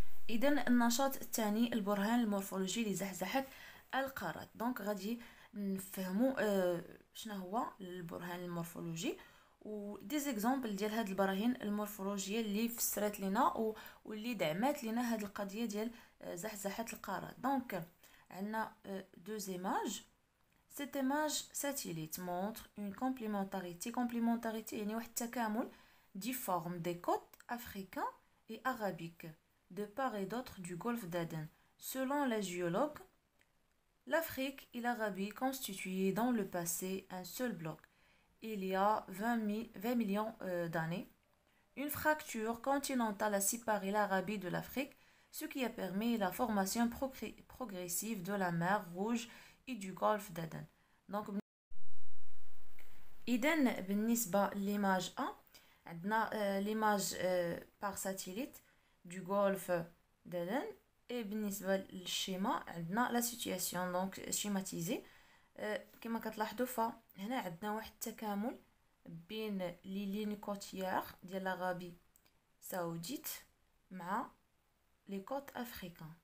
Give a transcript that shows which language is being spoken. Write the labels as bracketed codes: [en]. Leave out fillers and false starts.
[ar] اذا النشاط الثاني البرهان المورفولوجي لزحزحة القارات، دونك غادي نفهمو شنو هو البرهان المورفولوجي ودي زيكزامبل ديال هاد البراهين المورفولوجيه اللي فسرات لنا واللي دعمات لنا هاد القضيه ديال زحزحة القارات. دونك عندنا دو زيماج. [fr] Cette image satellite montre une complémentarité. Complémentarité, il y a un tacamoul difforme des côtes africaines et arabiques de part et d'autre du golfe d'Aden. Selon les géologues, l'Afrique et l'Arabie constituaient dans le passé un seul bloc. Il y a 20 millions d'années, une fracture continentale a séparé l'Arabie de l'Afrique, ce qui a permis la formation progressive de la mer Rouge du golfe d'Aden. Donc idem بالنسبه l'image A, عندنا l'image par satellite du golfe d'Aden et بالنسبه للشيما عندنا la situation donc schématisée. [ar] كما كتلاحظوا ف هنا عندنا واحد التكامل بين لي لين كوتيير ديال العربي السعوديه مع لي كوت افريكان.